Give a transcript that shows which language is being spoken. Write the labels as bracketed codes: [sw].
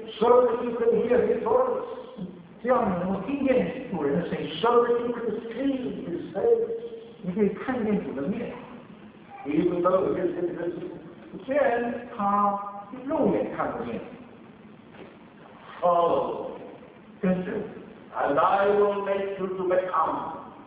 [en] So that you can hear His voice. [zh] 这样你能够听见主人的声音 [en] So that you can see His face. [zh] 你可以看见主的面 [en] Even though He is invisible. [zh] 虽然他肉眼看不见 [en] Follow. [zh] 跟随 [en] And I will make you to become.